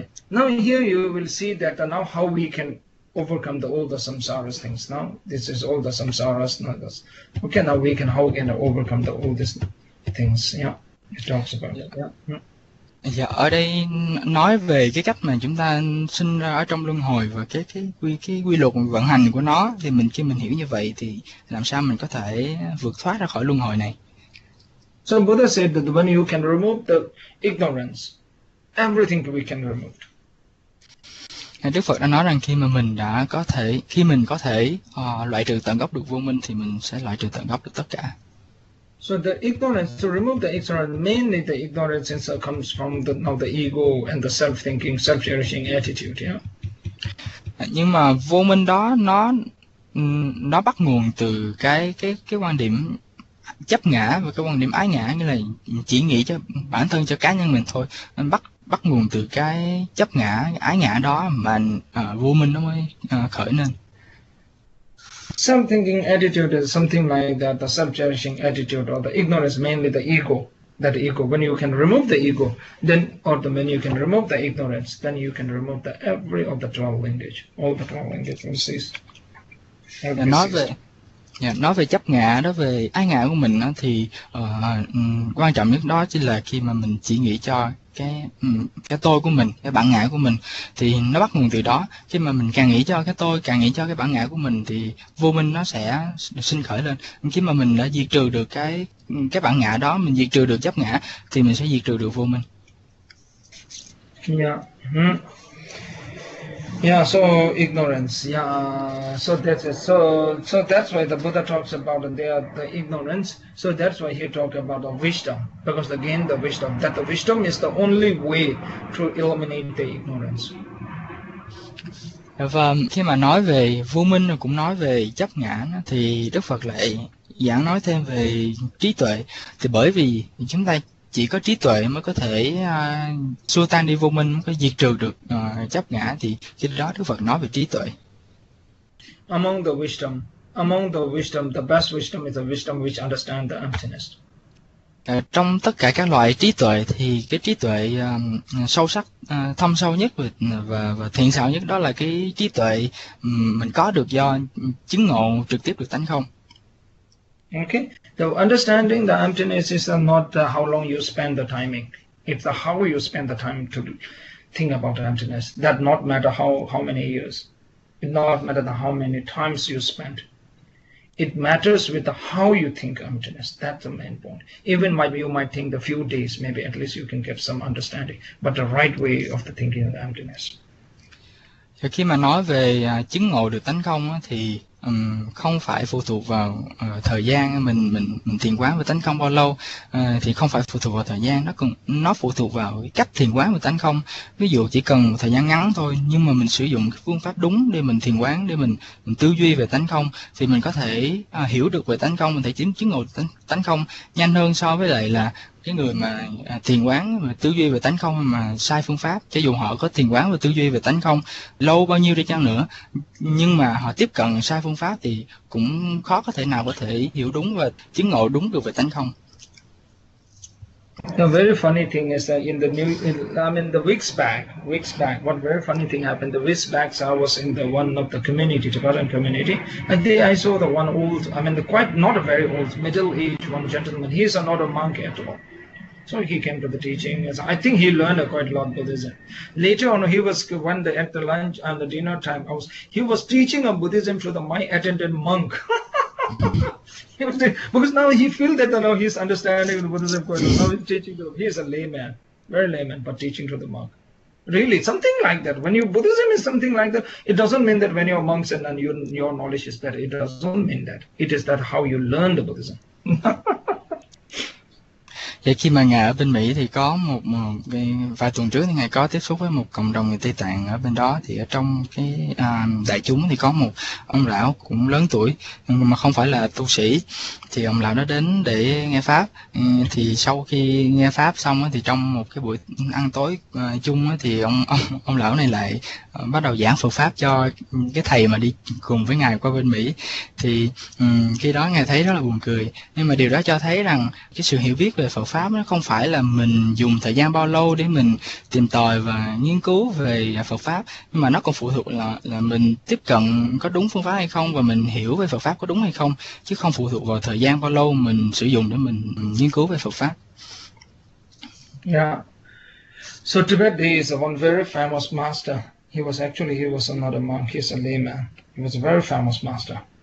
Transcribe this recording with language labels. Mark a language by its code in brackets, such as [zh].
[en] Now here you will see that now how we can overcome the all the samsaras things. Now this is all the samsaras. Now this. Okay. Now we can how can overcome the all these things. It talks about. [vi] Dạ, ở đây nói về cái cách mà chúng ta sinh ra ở trong luân hồi và cái quy luật vận hành của nó, thì mình khi mình hiểu như vậy thì làm sao mình có thể vượt thoát ra khỏi luân hồi này. [en] So Buddha said that when you can remove the ignorance, everything we can remove. [vi] Đức Phật đã nói rằng khi mà mình đã có thể khi mình có thể loại trừ tận gốc được vô minh thì mình sẽ loại trừ tận gốc được tất cả. [en] So the ignorance, to remove the ignorance, mainly the ignorance itself comes from the now the ego and the self-thinking, self-cherishing attitude, [vi] Nhưng mà vô minh đó nó bắt nguồn từ cái quan điểm chấp ngã và cái quan điểm ái ngã, nghĩa là chỉ nghĩ cho bản thân cho cá nhân mình thôi, nên bắt bắt nguồn từ cái chấp ngã ái ngã đó mà vô minh nó mới khởi lên. [en] Self-thinking attitude is something like that, the self-cherishing attitude or the ignorance, mainly the ego. That ego, when you can remove the ego, then, or the when you can remove the ignorance, then you can remove the every of the 12 language, all the 12 languages will [vi] Nói [en] cease. [vi] về nói về chấp ngã đó, về ái ngã của mình đó, thì quan trọng nhất đó chính là khi mà mình chỉ nghĩ cho cái tôi của mình, cái bản ngã của mình, thì nó bắt nguồn từ đó. Khi mà mình càng nghĩ cho cái tôi, càng nghĩ cho cái bản ngã của mình thì vô minh nó sẽ sinh khởi lên. Khi mà mình đã diệt trừ được cái bản ngã đó, mình diệt trừ được chấp ngã thì mình sẽ diệt trừ được vô minh. [en] So ignorance. So that's it. So that's why the Buddha talks about the ignorance. So that's why he talk about the wisdom. Because again, the wisdom, that the wisdom is the only way to eliminate the ignorance. [vi] Và khi mà nói về vô minh cũng nói về chấp ngã thì Đức Phật lại giảng nói thêm về trí tuệ. Thì bởi vì chúng ta chỉ có trí tuệ mới có thể xua tan đi vô minh, mới có diệt trừ được chấp ngã, thì khi đó Đức Phật nói về trí tuệ. [en] Among the wisdom, the best wisdom is the wisdom which understand the emptiness. [vi] Trong tất cả các loại trí tuệ thì cái trí tuệ sâu sắc thâm sâu nhất và thiện xảo nhất đó là cái trí tuệ mình có được do chứng ngộ trực tiếp được tánh không. [en] Okay, the understanding the emptiness is not how long you spend the timing. It's the how you spend the time to think about emptiness. That not matter how many years. It not matter the how many times you spent. It matters with the how you think emptiness. That's the main point. Even might you might think the few days, maybe at least you can get some understanding, but the right way of the thinking of the emptiness. [vi] Thì khi mà nói về chứng ngộ được tánh không á, thì không phải phụ thuộc vào thời gian mình thiền quán về tánh không bao lâu, thì không phải phụ thuộc vào thời gian, nó phụ thuộc vào cách thiền quán về tánh không. Ví dụ chỉ cần một thời gian ngắn thôi, nhưng mà mình sử dụng cái phương pháp đúng để mình thiền quán, để mình tư duy về tánh không, thì mình có thể hiểu được về tánh không, mình thể chứng ngộ tánh không nhanh hơn so với lại là cái người mà thiền quán mà tư duy về tánh không mà sai phương pháp. Cho dù họ có thiền quán và tư duy về tánh không lâu bao nhiêu đi chăng nữa, nhưng mà họ tiếp cận sai phương pháp thì cũng khó có thể nào có thể hiểu đúng và chứng ngộ đúng được về tánh không. [en] The very funny thing is that in the new, in, I mean, the weeks back, one very funny thing happened. The weeks back, I was in the one of the community, Tibetan community, and there I saw the one old, I mean, the quite not a very old, middle-aged one gentleman. He is not a monk at all. So he came to the teaching. As I think he learned quite a lot Buddhism. Later on, he was when the at the lunch and the dinner time, I was he was teaching a Buddhism to the my attendant monk. Because now he feel that now he's understanding the Buddhism quite well. Now he's teaching to, he's a layman, very layman, but teaching to the monk. Really, something like that. When you Buddhism is something like that, it doesn't mean that when you're monks and your knowledge is better. It doesn't mean that. It is that how you learn the Buddhism. [vi] Vậy khi mà Ngài ở bên Mỹ thì có một vài tuần trước thì Ngài có tiếp xúc với một cộng đồng người Tây Tạng ở bên đó, thì ở trong cái đại chúng thì có một ông lão cũng lớn tuổi mà không phải là tu sĩ, thì ông lão đó đến để nghe pháp. Thì sau khi nghe pháp xong thì trong một cái buổi ăn tối chung thì ông lão này lại bắt đầu giảng Phật pháp cho cái thầy mà đi cùng với Ngài qua bên Mỹ. Thì khi đó Ngài thấy rất là buồn cười, nhưng mà điều đó cho thấy rằng cái sự hiểu biết về Phật pháp nó không phải là mình dùng thời gian bao lâu để mình tìm tòi và nghiên cứu về Phật pháp, nhưng mà nó còn phụ thuộc là mình tiếp cận có đúng phương pháp hay không, và mình hiểu về Phật pháp có đúng hay không, chứ không phụ thuộc vào thời gian bao lâu mình sử dụng để mình nghiên cứu về Phật pháp. [en] Yeah. So Tibet, there is one very famous master. He was not a monk, he's a layman. He was a very famous master.